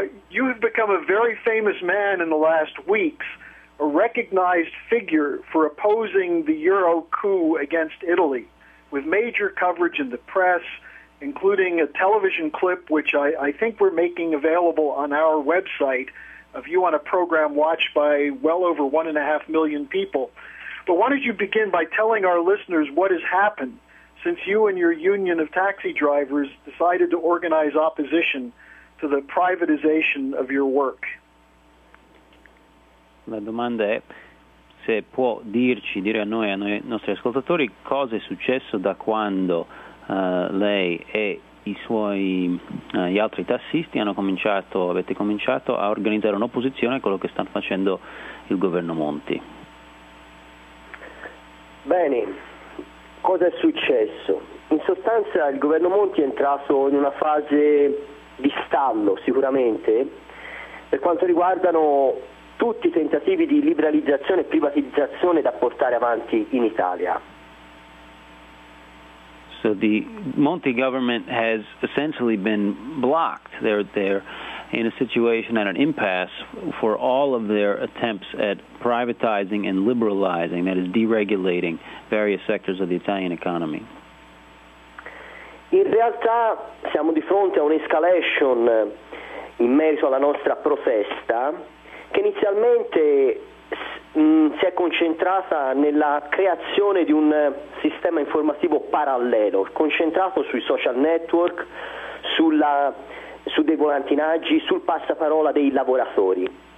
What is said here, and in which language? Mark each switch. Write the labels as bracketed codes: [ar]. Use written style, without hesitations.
[en] You have become a very famous man in the last weeks, a recognized figure for opposing the Euro coup against Italy, with major coverage in the press, including a television clip, which I think we're making available on our website, of you on a program watched by well over 1.5 million people. But why don't you begin by telling our listeners what has happened since you and your union of taxi drivers decided to organize opposition to the privatization of your work? [it] La domanda è se può dirci, dire a noi nostri ascoltatori, cosa è successo da quando lei e i suoi gli altri tassisti avete cominciato a organizzare un'opposizione a quello che sta facendo il governo Monti. Bene, cosa è successo? In sostanza il governo Monti è entrato in una fase di stallo sicuramente per quanto riguardano tutti i tentativi di liberalizzazione e privatizzazione da portare avanti in Italia. [en] So the Monti government has essentially been blocked. They're in a situation at an impasse for all of their attempts at privatizing and liberalizing, that is deregulating various sectors of the Italian economy. [it] In realtà siamo di fronte a un'escalation in merito alla nostra protesta che inizialmente si è concentrata nella creazione di un sistema informativo parallelo, concentrato sui social network, su dei volantinaggi, sul passaparola dei lavoratori.